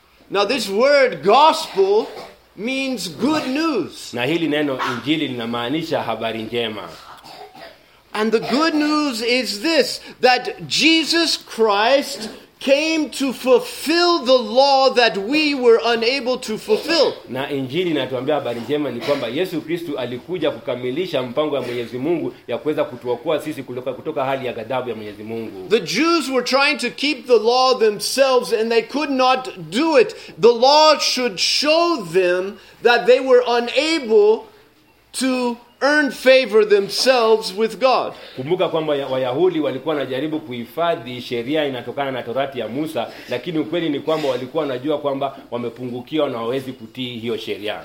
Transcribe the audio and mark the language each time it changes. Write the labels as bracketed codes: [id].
[en] Now this word gospel means good news. [sw] Na hili neno injili linamaanisha habari njema. [en] And the good news is this, that Jesus Christ came to fulfill the law that we were unable to fulfill. [sw] Na injili inatuambia habari njema ni kwamba Yesu Kristo alikuja kukamilisha mpango wa Mwenyezi Mungu ya kuweza kutuokoa sisi kutoka hali ya ghadhabu ya Mwenyezi Mungu. [en] The Jews were trying to keep the law themselves and they could not do it. The law should show them that they were unable to earn favor themselves with God. [sw] Kumbuka kwamba Wayahudi walikuwa wanajaribu kuhifadhi sheria inatokana na Torati ya Musa, lakini ukweli ni kwamba walikuwa wanajua kwamba wamepungukiwa na hawawezi kutii hiyo sheria.